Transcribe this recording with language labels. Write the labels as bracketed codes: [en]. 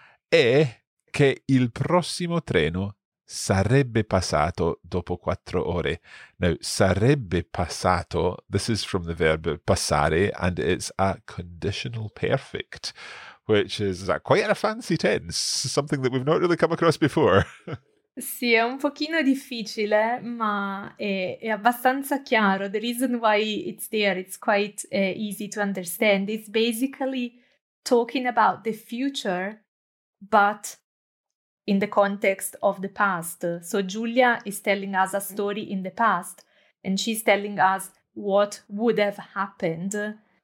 [it] E che il prossimo treno sarebbe passato dopo 4 ore. [en] Now, sarebbe passato, this is from the verb passare, and it's a conditional perfect, which is quite a fancy tense, something that we've not really come across before. [it] Sì, è un pochino difficile, ma è abbastanza chiaro. [en] The reason why it's there, it's quite easy to understand. It's basically talking about the future, but in the context of the past. So Giulia is telling us a story in the past, and she's telling us what would have happened.